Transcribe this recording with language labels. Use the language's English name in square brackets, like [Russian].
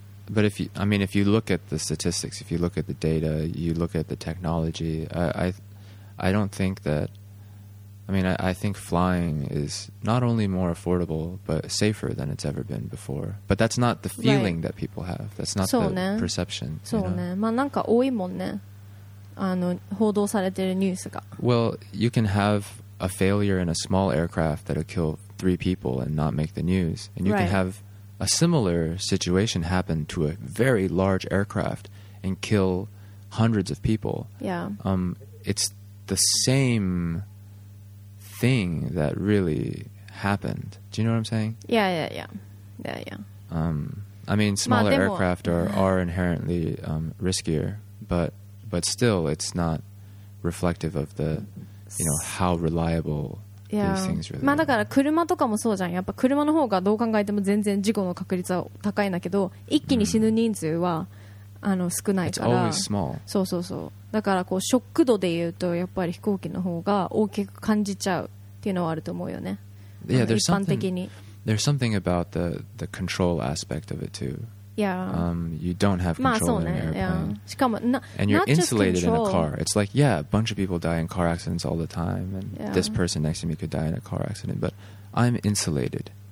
[English] But if you, I mean if you look at the statistics, if you look at the data, you look at the technology, I don't think that, I mean I think flying is not only more affordable but safer than it's ever been before. But that's not the feeling right. that people have. That's not so the perception. So you know? [Japanese] ね。まあなんか多いもんね。あの報道されてるニュースが。 [English] Well, you can have a failure in a small aircraft that'll kill three people and not make the news, and you right. can have a similar situation happen to a very large aircraft and kill hundreds of people. Yeah. It's the same thing that really happened. Do you know what I'm saying? Yeah. I mean, smaller aircraft are inherently riskier, but still, it's not reflective of the, you know, how reliable yeah. these things really are. [Japanese] まあだから車とかもそうじゃん。やっぱ車の方がどう考えても全然事故の確率は高いんだけど、一気に死ぬ人数は、あの少ないから。 [English] It's always small. [Japanese] そうそうそう。だからこうショック度で言うとやっぱり飛行機の方が大きく感じちゃうっていうのはあると思うよね。 [English] Yeah, there's [Japanese] 一般的に。 [English] There's something about the control aspect of it too. Yeah. You don't have control、 [Japanese] まあそうね、 [English] in an airplane. Yeah. [Japanese] しかも [English] and you're insulated control. In a car. It's like, yeah, a bunch of people die in car accidents all the time, and、 yeah. this person next to me could die in a car accident, but I'm insulated.